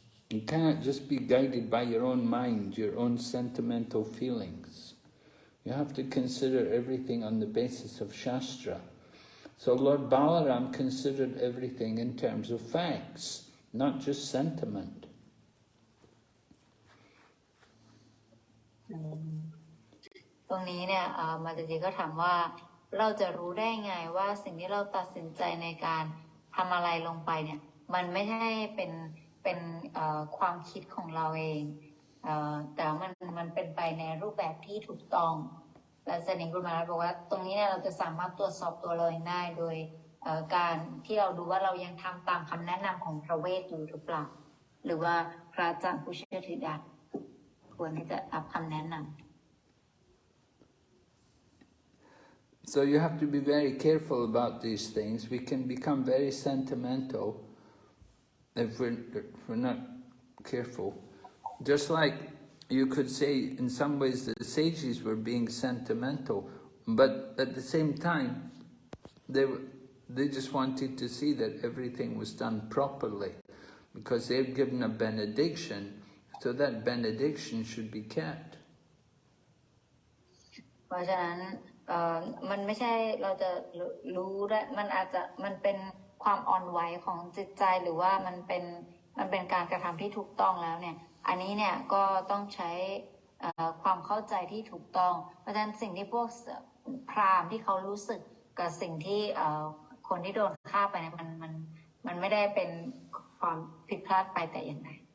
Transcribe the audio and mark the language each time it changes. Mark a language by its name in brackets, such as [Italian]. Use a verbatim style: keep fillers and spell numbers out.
[English] You cannot just be guided by your own mind, your own sentimental feelings. You have to consider everything on the basis of Shastra. So Lord Balaram considered everything in terms of facts, not just sentiment. [Thai] ตรงนี้เนี่ยเอ่อมาตาจีก็ถามว่าเราจะรู้ได้ไงว่าสิ่งที่เราตัดสินใจในการทำอะไรลงไปเนี่ยมันไม่ใช่เป็นเป็นเอ่อความคิดของเราเองเอ่อแต่ว่ามันมันเป็นไปในรูปแบบที่ถูกต้องและเสนิงกุลมารัตน์บอกว่าตรงนี้เนี่ยเราจะสามารถตรวจสอบตัวเราเองได้โดยเอ่อการที่เราดูว่าเรายังทำตามคำแนะนำของพระเวทอยู่หรือเปล่าหรือว่าพระอาจารย์ผู้เชี่ยวชาญควรที่จะรับคำแนะนำ [English] So you have to be very careful about these things. We can become very sentimental if we're, if we're not careful. Just like you could say in some ways that the sages were being sentimental, but at the same time, they, were- they just wanted to see that everything was done properly because they've given a benediction, so that benediction should be kept. [Thai] เพราะฉะนั้นเอ่อมันไม่ใช่เราจะรู้ได้มันอาจจะมันเป็นความอ่อนไหวของจิตใจหรือว่ามันเป็นมันเป็นการกระทำที่ถูกต้องแล้วเนี่ยอันนี้เนี่ยก็ต้องใช้เอ่อความเข้าใจที่ถูกต้องเพราะฉะนั้นสิ่งที่พวกพราหมณ์ที่เขารู้สึกกับสิ่งที่เอ่อคนที่โดนฆ่าไปเนี่ยมันมันมันไม่ได้เป็นความผิดพลาดไปแต่อย่างใด